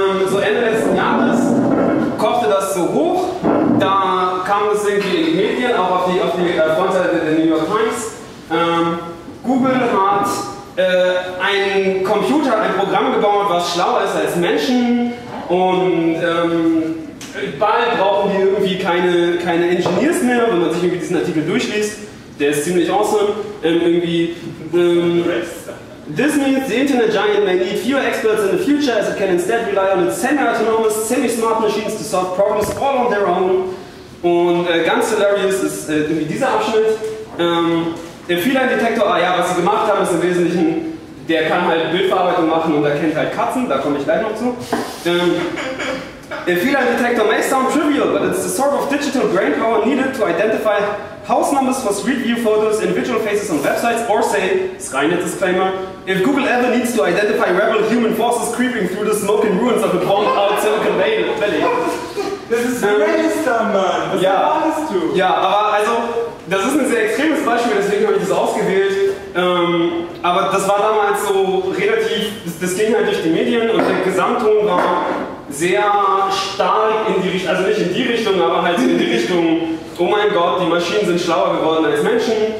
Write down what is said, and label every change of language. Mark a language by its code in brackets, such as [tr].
[de] So Ende letzten Jahres kochte das so hoch, da kam es irgendwie in die Medien, auch auf die Frontseite der New York Times. Google hat ein Programm gebaut, was schlauer ist als Menschen und bald brauchen die irgendwie keine Engineers mehr, wenn man sich irgendwie diesen Artikel durchliest. Der ist ziemlich awesome. [en] This means the internet giant may need fewer experts in the future as it can instead rely on its semi-autonomous, semi-smart machines to solve problems all on their own. [de] Und ganz hilarious ist irgendwie dieser Abschnitt. Der Feline-Detektor, was sie gemacht haben, ist im Wesentlichen, der kann halt Bildverarbeitung machen und erkennt halt Katzen, da komme ich gleich noch zu. Der Feline-Detektor [en] may sound trivial, but it's the sort of digital brain power needed to identify house numbers for street view photos, individual faces on websites, or say, Skynet disclaimer, if Google ever needs to identify rebel human forces creeping through the smoke and ruins of a burned out Silicon Valley. [de] Das ist Register, Mann! Was erwartest du? Ja, aber also, das ist ein sehr extremes Beispiel, deswegen habe ich das ausgewählt. Aber das war damals so relativ, das ging halt durch die Medien und der Gesamtton war sehr stark in die Richtung, also nicht in die Richtung, aber halt in die Richtung, oh mein Gott, die Maschinen sind schlauer geworden als Menschen.